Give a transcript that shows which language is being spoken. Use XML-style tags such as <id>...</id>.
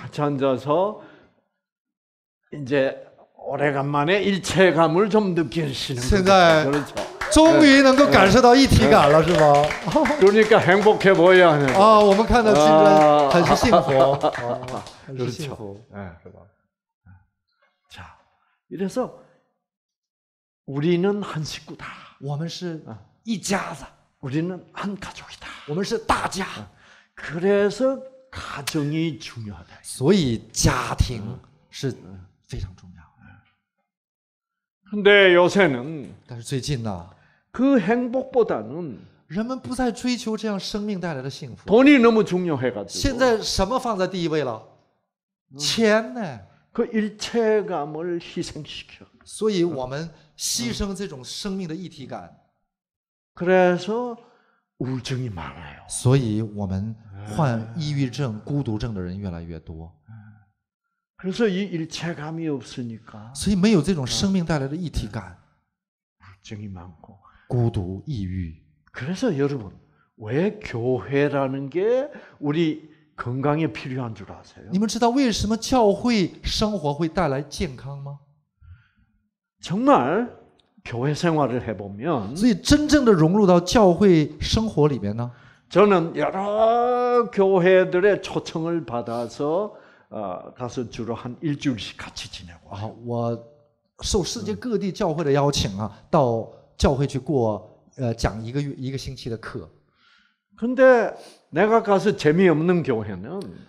<ko>같이 앉아서 이제 오래간만에 일체감을 좀 느끼시는 거죠. 그렇죠.</ko> <zh>终于能够感受到一体感了，是吗？</zh> <ko>그러니까 행복해 보여야 하는. 아, 우리가</ko> <zh>看到</zh> <ko>진짜 很 행복. 아, 그렇죠. 예, 그렇죠. 자, 이래서 우리는 한 식구다.</ko> <zh>我们是一家子.</zh> <ko>우리는 한 가족이다.</ko> <zh>我们是大家.</zh> <ko>그래서 가정이 중요하다.</ko> <zh>所以家庭是非常重要.</zh> <ko>근데 요새는</ko> <zh>但是最近呢,</zh> <ko>그 행복보다는</ko> <zh>人们不再追求这样生命带来的幸福.</zh> <ko>돈이 너무 중요해 가지고.</ko> <zh>现在什么放在第一位了? 钱呢?</zh> <ko>그 일체감을 희생시켜.</ko> <zh>所以我们牺牲这种生命的一体感.</zh> <ko>그래서 우울증이 많아요.</ko> <zh>所以我们患抑郁症、孤独症的人越来越多。</zh> <ko>그래서 이 일체감이 없으니까.</ko> <zh>所以没有这种生命带来的一体感。</zh> <ko>우울증이 많고.</ko> <zh>孤独、抑郁。</zh> <ko>그래서 여러분 왜 교회라는 게 우리 건강에 필요한 줄 아세요?</ko> <zh>你们知道为什么教会生活会带来健康吗？</zh> <ko>정말 교회 생활을 해보면.</ko> <zh>所以真正的融入到教会生活里面呢？</zh> <ko>저는 여러 교회들의 초청을 받아서 가서 주로 한 일주일씩 같이 지내고.</ko> <zh>아, 我受世界各地教会的邀请啊，到教会去过讲一个月一个星期的课。</zh> <ko>근데 내가 가서 재미없는 교회는</ko>